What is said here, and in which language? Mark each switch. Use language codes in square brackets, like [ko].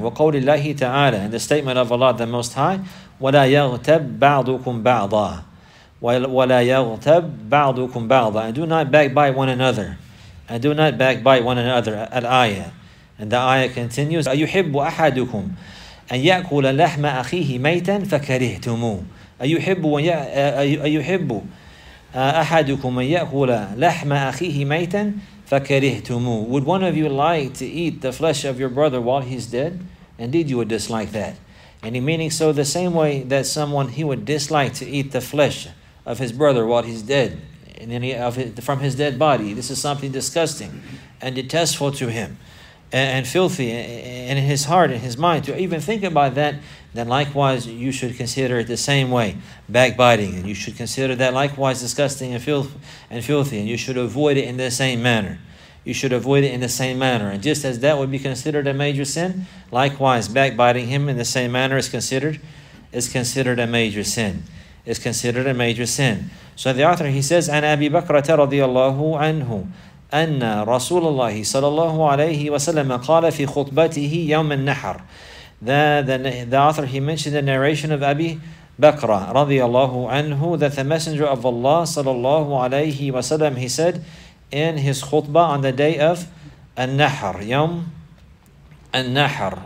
[ar] وَقَوْلِ اللَّهِ تَعَالَى, [en] and the statement of Allah the Most High, [ar] وَلَا يَغْتَبْ بَعْضُكُمْ بَعْضًا, [en] وَلَا يَغْتَبْ بَعْضُكُمْ بَعْضًا, and do not backbite one another. And do not backbite one another. Al-ayah. And the ayah continues, [ar] أَيُحِبُّ أَحَدُكُمْ أَنْ يَأْكُلَ لَحْمَ أَخِيهِ مَيْتًا فَكَرِهْتُمُوهُ. أَيُحِبُّ أَحَدُكُمْ أَنْ يَأْكُلَ لَحْمَ أَخِيهِ مَيْتًا. [en] Would one of you like to eat the flesh of your brother while he's dead? Indeed, you would dislike that. And meaning, so the same way that someone, he would dislike to eat the flesh of his brother while he's dead, and then from his dead body. This is something disgusting and detestful to him and filthy and in his heart, in his mind. To even think about that, then likewise, you should consider it the same way, backbiting. And you should consider that likewise disgusting and filthy. And you should avoid it in the same manner. And just as that would be considered a major sin, likewise, backbiting him in the same manner is considered a major sin. So the author, he says, [ar] عن أبي بكرة رضي الله عنه أن رسول الله صلى الله عليه وسلم قال في خطبته يوم النحر. [en] The author, he mentioned the narration of Abi Bakra radiyallahu anhu, that the Messenger of Allah sallallahu alayhi wa sallam, he said in his khutbah on the day of An-Nahr, Yom An-Nahr.